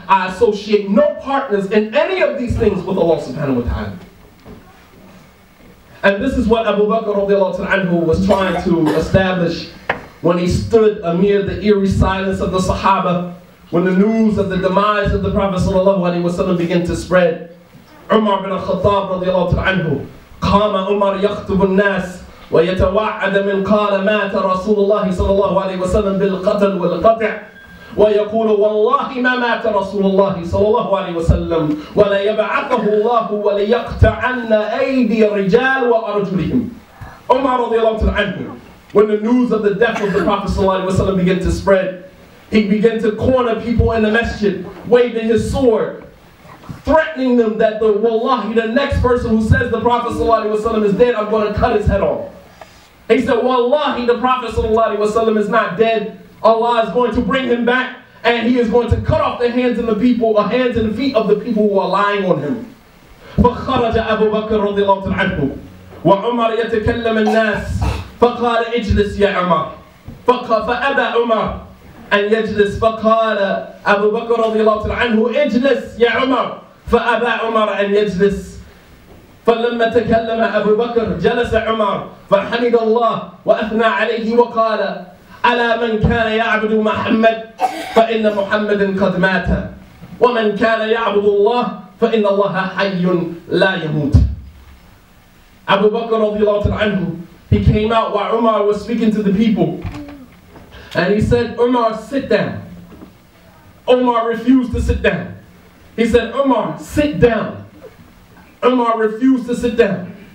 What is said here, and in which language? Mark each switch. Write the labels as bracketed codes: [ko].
[en] I associate no partners in any of these things with Allah subhanahu wa ta'ala. And this is what Abu Bakr radiallahu ta'ala anhu was trying to establish when he stood amid the eerie silence of the Sahaba, when the news of the demise of the Prophet sallallahu alaihi wasallam began to spread. [ar] Umar bin al-Khattab radiallahu ta'ala anhu, قام عمر يخطب الناس ويتوعد من قال مات رسول الله صلى الله عليه وسلم بالقتل والقطع ويقول والله ما مات رسول الله صلى الله عليه وسلم ولا يبعثه الله وليقطعن ايدي الرجال وارجلهم. [en] عمر رضي الله عنه, when the news of the death of the Prophet صلى الله عليه وسلم began to spread, he began to corner people in the masjid, waving his sword, threatening them that the wallahi, the next person who says the Prophet ﷺ is dead, I'm going to cut his head off. He said, wallahi, the Prophet ﷺ is not dead. Allah is going to bring him back, and he is going to cut off the hands of the people, the hands and feet of the people who are lying on him. [ar] فخرج أبو بكر رضي الله عنه وعمر يتكلم الناس فقال اجلس يا عمر فأبى عمر أن يجلس فقال أبو بكر رضي الله عنه اجلس يا عمر فأبى عمر أن يجلس فلما تكلم أبو بكر جلس عمر فحمد الله وأثنى عليه وقال ألا من كان يعبد محمد فإن محمد قد مات ومن كان يعبد الله فإن الله حي لا يموت. [en] أبو بكر رضي الله عنه, he came out while Umar was speaking to the people. And he said, Umar, sit down. Umar refused to sit down. He said, Umar, sit down. Umar refused to sit down.